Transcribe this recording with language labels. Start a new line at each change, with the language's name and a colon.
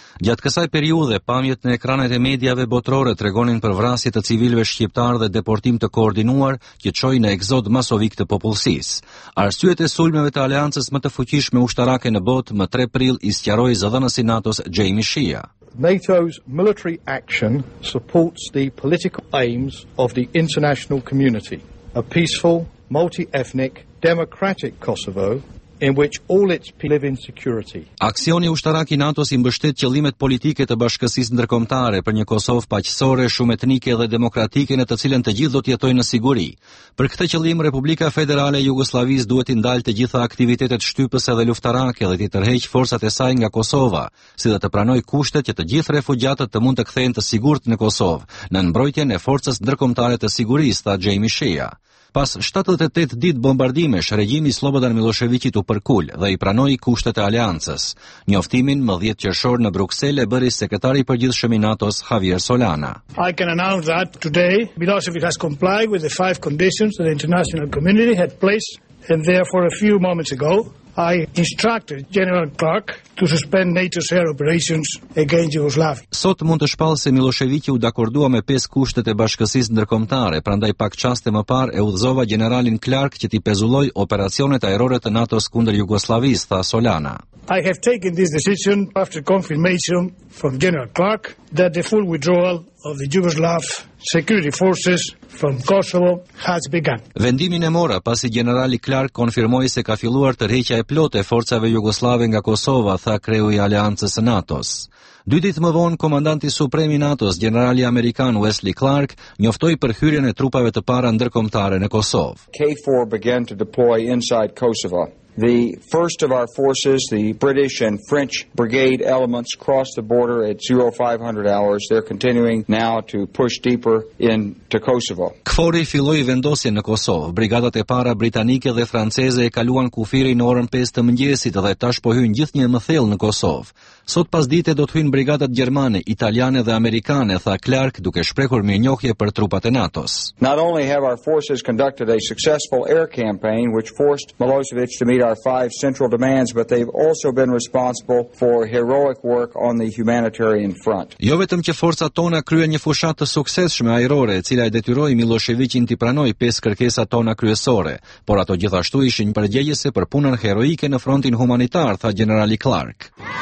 Albanian: Gjatë kësaj periudhe, pamjet në ekranet e mediave botërore tregonin për vrasje të civilëve shqiptar dhe deportim të koordinuar që çoi në ekzod masovik të popullsisë. Arsyet e sulmeve të aleancës më të fuqishme ushtarake në botë më 3 prill i sqaroi zëdhënësi NATO-s Jamie Shea.
English: NATO's military action supports the political aims of the international community, a peaceful, multi-ethnic, democratic Kosovo in which all its people live in security.
Albanian: Aksioni ushtarak i NATO-s i mbështet qëllimet politike të bashkësisë ndërkombëtare për një Kosovë paqësore, shumë etnike dhe demokratike në të cilën të gjithë do të jetojnë në siguri. Për këtë qëllim Republika Federale e Jugosllavisë duhet të ndalë të gjitha aktivitetet shtypëse dhe luftarake dhe të tërheqë forcat e saj nga Kosova, si dhe të pranojë kushtet që të gjithë refugjatët të mund të kthehen të sigurt në Kosovë, në mbrojtjen e forcës ndërkombëtare të sigurisë, tha Jamie Shea. Pas 78 ditë bombardimesh, regjimi Slobodan Miloševićit u përkul dhe i pranoi kushtet e aleancës. Njoftimin më 10 qershor në Bruksel e bëri sekretari i përgjithshëm i NATO-s Javier Solana.
English: I can announce that today Milošević has complied with the five conditions that the international community had placed and therefore a few moments ago I instructed General Clark to suspend NATO's air operations against Yugoslavia.
Albanian: Sot mund të shpallë se Miloševiqi u dakordua me 5 kushtet e bashkësisë ndërkombëtare, prandaj pak çaste më parë e udhëzova Generalin Clark që t'i pezulloj operacionet ajrore të NATO-s kundër Jugosllavisë, tha Solana.
English: I have taken this decision after confirmation from General Clark that the full withdrawal of the Yugoslav security forces from Kosovo has begun.
Albanian: Vendimin e mora pasi Generali Clark konfirmoi se ka filluar tërheqja e plotë e forcave jugoslave nga Kosova, tha kreu i aleancës së NATO-s. Dy ditë më vonë, komandanti suprem i NATO-s, generali amerikan Wesley Clark, njoftoi për hyrjen e trupave të para ndërkombëtare në Kosovë.
English: KFOR began to deploy inside Kosovo. The first of our forces, the British and French brigade elements, crossed the border at 0500 hours. They're continuing now to push deeper into Kosovo.
Albanian: KFOR-i filloi vendosjen në Kosovë. Brigadat e para britanike dhe franceze e kaluan kufirin në orën 5 të mëngjesit dhe tash po hyn gjithnjë më thellë në Kosovë. Sot pasdite do të hyjnë brigadat gjermane, italiane dhe amerikane, tha Clark, duke shprehur mirënjohje për trupat e NATO-s.
English: Not only have our forces conducted a successful air campaign which forced Milošević to meet our five central demands, but they've also been responsible for heroic work on the humanitarian front.
Albanian: Jo vetëm që forcat tona kryen një fushatë të suksesshme ajrore, e cila e detyroi Miloševićin të pranojë pesë kërkesat tona kryesore, por ato gjithashtu ishin përgjegjëse për punën heroike në frontin humanitar, tha generali Clark.